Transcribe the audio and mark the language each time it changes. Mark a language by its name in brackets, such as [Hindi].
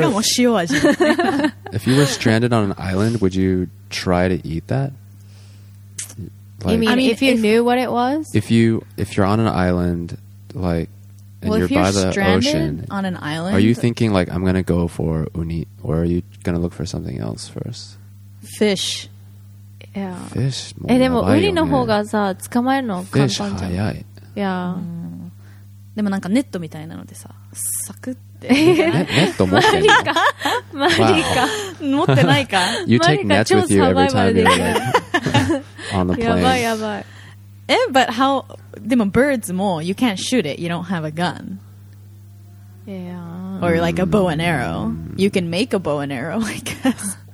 [English] If you were stranded on an island, would you try to eat that? Like, if you knew what it was? If you're on an island, like. Well, you're if you're by the stranded ocean, on an island... Are you thinking, like, I'm going to go for uni, or are you going to look for something else first? Fish. Yeah. Fish? [Japanese] え、でも、ウニの方がさ、捕まえるの簡単じゃん。フィッシュ早い。いや。でもなんかネットみたいなのでさ、サクッて。ネット持ってんの？マリカ。マリカ。持ってないか？ [English] You take nets with you every time you're like, on the plane. [Japanese] やばいやばい。 [English] え、but how... でも birds も you can't shoot it, you don't have a gun. Yeah. Or like a bow and arrow. You can make a bow and arrow, I guess.